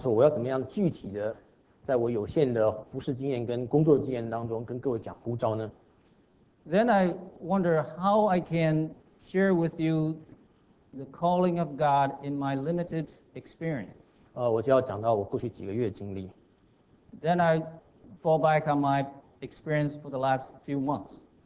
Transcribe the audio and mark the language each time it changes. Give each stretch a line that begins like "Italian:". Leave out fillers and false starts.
Chinese: 那我接下来想说我要怎么样具体的 在我有限的服事经验跟工作经验当中跟各位讲呼召呢?
English: Then I wonder how I can share with you the calling of God in my limited experience.
Chinese: 我就要讲到我过去几个月的经历。
English: Then I fall back on my experience for the last few months.